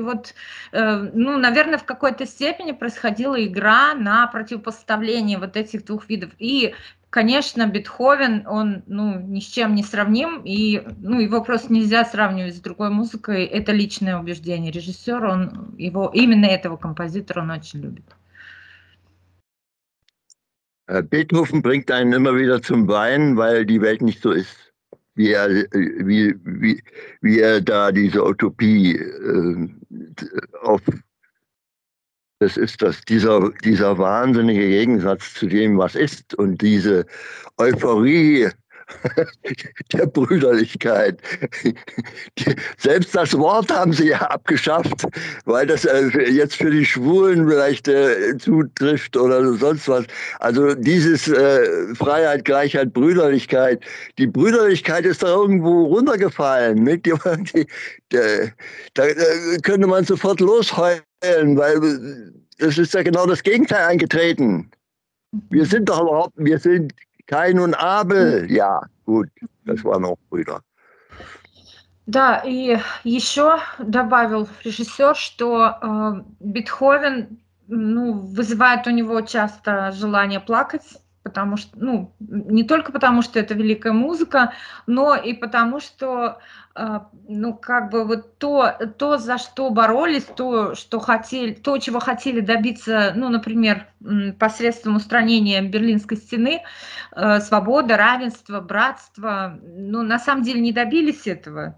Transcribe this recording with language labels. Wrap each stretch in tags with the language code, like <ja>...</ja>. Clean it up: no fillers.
<ru>И вот, ну, наверное, в какой-то степени происходила игра на противопоставление вот этих двух видов. И, конечно, Бетховен, он, ну, ни с чем не сравним, и, ну, его просто нельзя сравнивать с другой музыкой. Это личное убеждение режиссера, он его, именно этого композитора он очень любит.</ru> <de>Beethoven bringt einen immer wieder zum Weinen, weil die Welt nicht so ist, wie er da diese Utopie auf. Das ist das, dieser wahnsinnige Gegensatz zu dem, was ist, und diese Euphorie der Brüderlichkeit. Selbst das Wort haben sie ja abgeschafft, weil das jetzt für die Schwulen vielleicht zutrifft oder sonst was. Also dieses Freiheit, Gleichheit, Brüderlichkeit, die Brüderlichkeit ist da irgendwo runtergefallen. Nicht? Da könnte man sofort losheulen, weil das ist ja genau das Gegenteil eingetreten. Wir sind doch überhaupt, wir sind Kain und Abel, ja, gut, das waren auch Brüder.</de> <ru>Да, и еще добавил режиссер, что Бетховен, ну, вызывает у него часто желание плакать. потому что, ну, не только потому, что это великая музыка, но и потому, что, ну, как бы вот то, за что боролись, то, что хотели, то, чего хотели добиться, ну, например, посредством устранения Берлинской стены, свобода, равенство, братство, ну, на самом деле не добились этого.</ru>